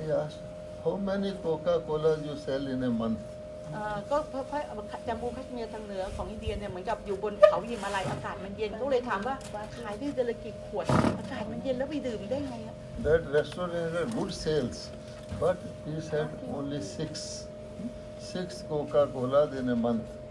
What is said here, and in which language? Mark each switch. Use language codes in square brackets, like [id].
[en] I asked, how many Coca-Cola you sell in a month? [th] ก็จมูกคัชเมียร์ทางเหนือของอินเดียเนี่ยเหมือนกับอยู่บนเขาหิมาลัยอากาศมันเย็นก็เลยถามว่าขายได้เดือนละกี่ขวดอากาศมันเย็นแล้วไปดื่มได้ไงอะ [en] That restaurant has good sales. But he said only six Coca-Cola in a month.